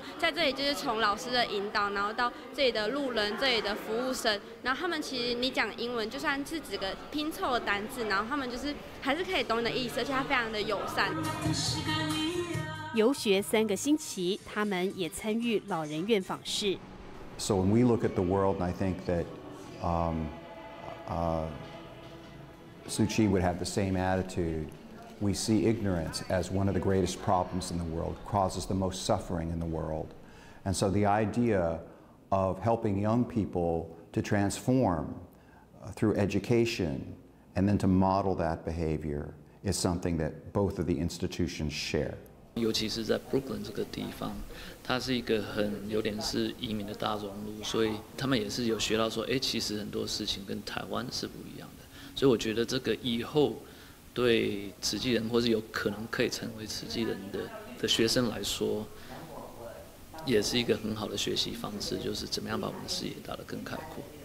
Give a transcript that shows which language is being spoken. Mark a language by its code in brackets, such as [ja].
[zh] 在这里就是从老师的引导，然后到这里的路人、这里的服务生，然后他们其实你讲英文就算是只个拼凑的单字，然后他们就是还是可以懂你的意思，而且他非常的友善。游学3个星期，他们也参与老人院访视。 [en] So when we look at the world, I think that, Suu Kyi would have the same attitude. We see ignorance as one of the greatest problems in the world, causes the most suffering in the world. And so the idea of helping young people to transform through education and then to model that behavior is something that both of the institutions share. [zh] 尤其是在 Brooklyn 这个地方，它是一个很有点是移民的大熔炉，所以他们也是有学到说，哎，其实很多事情跟台湾是不一样的。所以我觉得这个以后对慈济人或是有可能可以成为慈济人的学生来说，也是一个很好的学习方式，就是怎么样把我们的视野打得更开阔。